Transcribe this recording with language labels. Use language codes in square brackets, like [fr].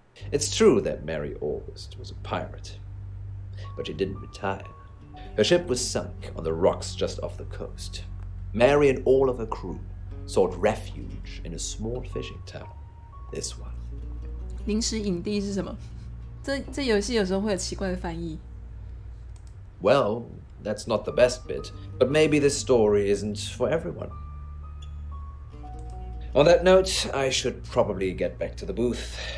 [en] It's true that Mary August was a pirate, but she didn't retire. Her ship was sunk on the rocks just off the coast. Mary and all of her crew sought refuge in a small fishing town, this one. [zh] 临时营地是什么？这游戏有时候会有奇怪的翻译。 [en] Well, that's not the best bit, but maybe this story isn't for everyone. On that note, I should probably get back to the booth.